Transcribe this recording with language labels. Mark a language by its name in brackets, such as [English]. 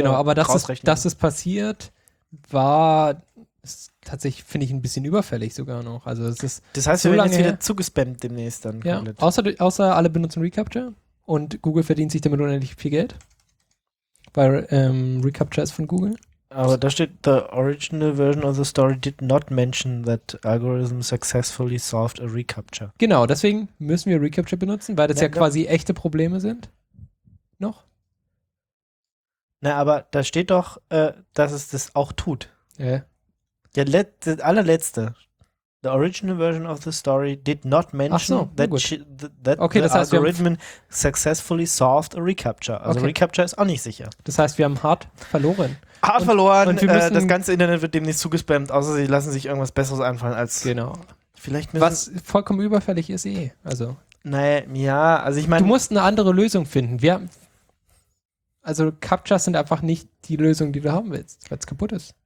[German] genau, aber dass es passiert, war ist tatsächlich, finde ich, ein bisschen überfällig sogar noch. Also es ist das heißt, so wir werden jetzt wieder zugespammt demnächst dann. Ja, außer alle benutzen Recapture und Google verdient sich damit unendlich viel Geld. Weil Recapture ist von Google. Aber da steht, [English] the original version of the story did not mention that algorithm successfully solved a recapture. [German] Genau, deswegen müssen wir Recapture benutzen, weil das quasi echte Probleme sind. Noch? Na, aber da steht doch, dass es das auch tut. Ja. Der allerletzte. [English] The original version of the story did not mention algorithm successfully solved a recapture. [German] Also okay. Recapture ist auch nicht sicher. Das heißt, wir haben hart verloren. Hart verloren. Und das ganze Internet wird demnächst zugespammt, außer sie lassen sich irgendwas Besseres einfallen als. Genau. Vielleicht was vollkommen überfällig ist eh. Also. Naja, ja, also ich meine. Du musst eine andere Lösung finden. Also Captchas sind einfach nicht die Lösung, die du haben willst, weil es kaputt ist.